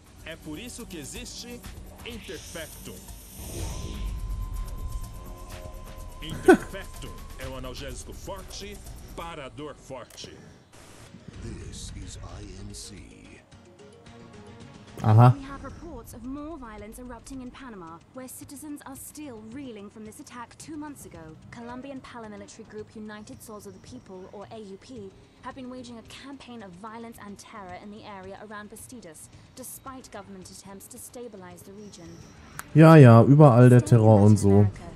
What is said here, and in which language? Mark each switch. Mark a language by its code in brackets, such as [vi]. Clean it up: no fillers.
[pt] É por isso que existe Interfectum. Interfectum é um analgésico forte para a dor forte. [en] This is INC. Uh-huh. We have reports of more violence erupting in Panama, where citizens are still reeling from this attack 2 months ago. Colombian paramilitary group United Souls of the People, or AUP, have been waging a campaign of violence and terror in the area around Bastidas, despite government attempts to stabilize the region. [de] Ja, überall der Terror und so.